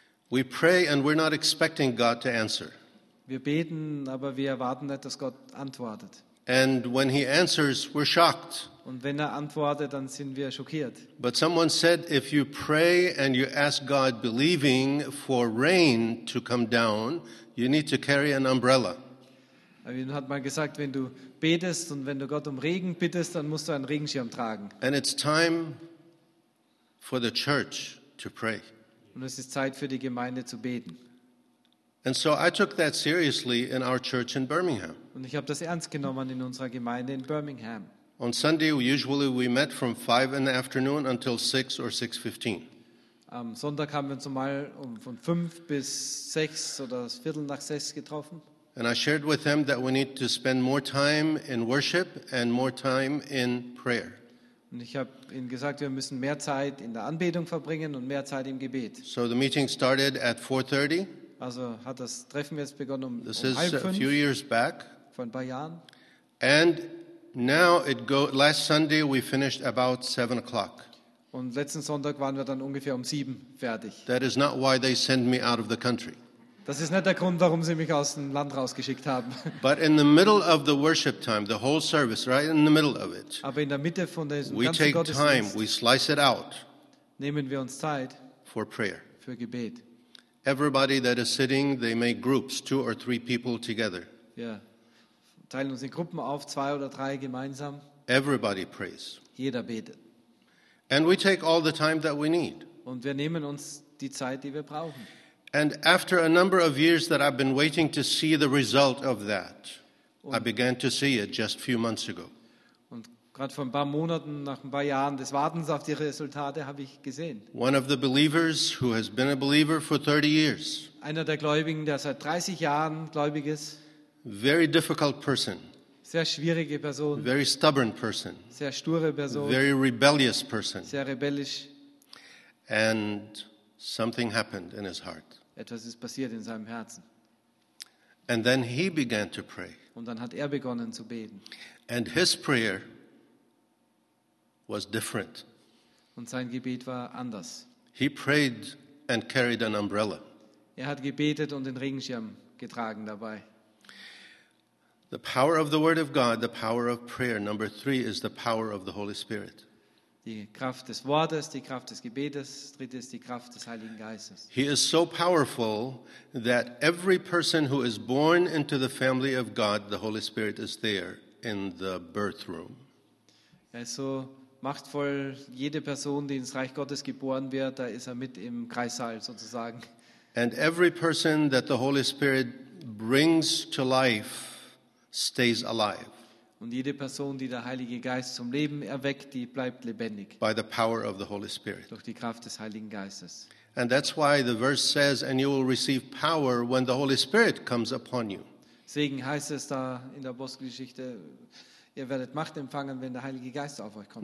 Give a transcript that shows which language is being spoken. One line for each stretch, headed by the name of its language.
English: We pray and we're not expecting God to answer.
German: Wir beten, aber wir erwarten nicht, dass Gott antwortet.
English: And when he answers, we're shocked.
German: Und wenn er antwortet, dann sind wir schockiert.
English: But someone said, if you pray and you ask God believing for rain to come down, you need to carry an umbrella.
German: Aber jemand hat mal gesagt, wenn du betest und wenn du Gott um Regen bittest, dann musst du einen Regenschirm tragen.
English: And it's time for the church to pray.
German: Und es ist Zeit für die Gemeinde zu beten.
English: And so I took that seriously in our church in Birmingham.
German: Und ich habe das ernst genommen in unserer Gemeinde in Birmingham.
English: On Sunday, usually we met from 5 in the afternoon until 6 or 6:15.
German: Am Sonntag haben wir uns mal von 5 bis 6 oder Viertel nach 6 getroffen.
English: And I shared with them that we need to spend more time in worship and more time in prayer.
German: Und ich habe ihnen gesagt, wir müssen mehr Zeit in der Anbetung verbringen und mehr Zeit im Gebet.
English: So the meeting started at 4:30.
German: Also hat das Treffen jetzt begonnen um 5:30.
English: This is a few years back.
German: Vor ein paar Jahren.
English: And now last Sunday we finished about 7 o'clock.
German: Und letzten Sonntag waren wir dann ungefähr um 7 fertig.
English: That is not why they send me out of the country.
German: Das ist nicht der Grund, warum sie mich aus dem Land rausgeschickt haben.
English: But in the middle of the worship time, the whole service, right in the middle of it.
German: Aber in der Mitte von diesem ganzen Gottesdienst.
English: We take time, we slice it out.
German: Nehmen wir uns Zeit.
English: For prayer.
German: Für Gebet.
English: Everybody that is sitting, they make groups, 2 or 3 people together.
German: Ja. Teilen uns in Gruppen auf, 2 oder 3 gemeinsam.
English: Everybody prays.
German: Jeder betet.
English: And we take all the time that we need.
German: Und wir nehmen uns die Zeit, die wir brauchen.
English: And after a number of years that I've been waiting to see the result of that, I began to see it just a few months ago.
German: Und gerade vor ein paar Monaten, nach ein paar Jahren des Wartens auf die Resultate, habe ich gesehen.
English: One of the believers who has been a believer for 30 years.
German: Einer der Gläubigen, der seit 30 Jahren gläubig ist.
English: Very difficult person.
German: Sehr schwierige Person.
English: Very stubborn person.
German: Sehr sture Person.
English: Very rebellious person.
German: Sehr rebellisch.
English: And something happened in his heart.
German: Etwas ist passiert in seinem Herzen.
English: And then he began to pray.
German: Und dann hat er begonnen zu beten.
English: And his prayer was different.
German: Und sein Gebet war anders.
English: He prayed and carried an umbrella.
German: Er hat gebetet und den Regenschirm getragen dabei.
English: The power of the word of God, the power of prayer. Number 3 is the power of the Holy Spirit.
German: Die Kraft des Wortes, die Kraft des Gebetes, drittens die Kraft des Heiligen Geistes.
English: He is so powerful that every person who is born into the family of God, the Holy Spirit is there in the birth room.
German: Er ist so machtvoll, jede Person, die ins Reich Gottes geboren wird, da ist er mit im Kreissaal sozusagen.
English: And every person that the Holy Spirit brings to life stays alive.
German: Und jede Person, die der Heilige Geist zum Leben erweckt, die bleibt lebendig.
English: By the power of the Holy Spirit.
German: Durch die Kraft des Heiligen Geistes.
English: And that's why the verse says, and you will receive power when the Holy Spirit comes upon you.
German: Segen heißt es da in der Apostelgeschichte, ihr werdet Macht empfangen, wenn der Heilige Geist auf euch kommt.